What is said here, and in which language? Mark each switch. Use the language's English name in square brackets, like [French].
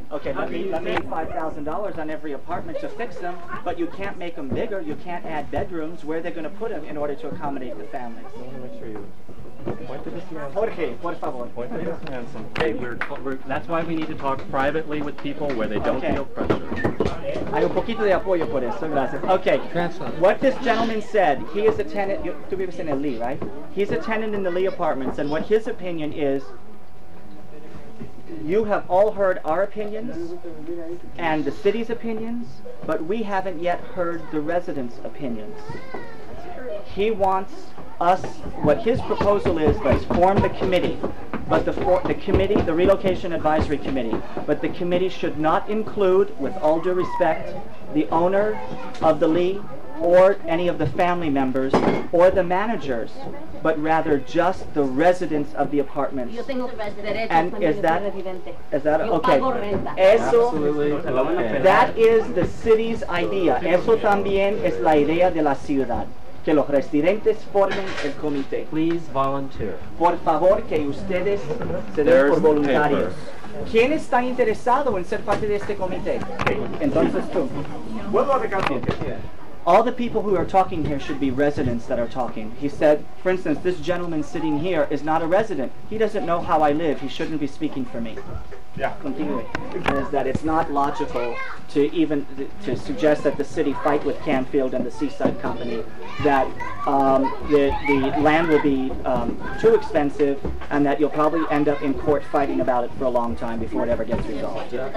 [English] Okay, let me pay $5,000 on every apartment to fix them, but you can't make them bigger, you can't add bedrooms. Where are they going to put them in order to accommodate the families? I want to make sure you... [Spanish] Jorge, por favor. [English] Okay, that's why we need to talk privately with people where they don't feel pressure. [Spanish] Hay un poquito de apoyo por eso, gracias. [English] Okay, translate. What this gentleman said, he is a tenant, [Spanish] tú vives en el Lee, [English] right? He's a tenant in the Lee apartments, and what his opinion is, you have all heard our opinions and the city's opinions, but we haven't yet heard the residents' opinions. He wants us, what his proposal is, let's form the committee, but the Relocation Advisory Committee, but the committee should not include, with all due respect, the owner of the Lee or any of the family members or the managers, but rather just the residents of the apartments. [Spanish] Yo tengo [English] and is that okay? [Spanish] Eso, [English] that is the city's idea. [Spanish] Eso también es la idea de la ciudad. Que los residentes formen el comité. [English] Please volunteer. [Spanish] Por favor, que ustedes se den por voluntarios. ¿Quién está interesado en ser parte de este comité? Entonces tú. [English] All the people who are talking here should be residents that are talking. He said, for instance, this gentleman sitting here is not a resident. He doesn't know how I live. He shouldn't be speaking for me. Yeah. Continuing. Is that it's not logical to even to suggest that the city fight with Canfield and the Seaside Company, that the land will be too expensive and that you'll probably end up in court fighting about it for a long time before it ever gets resolved.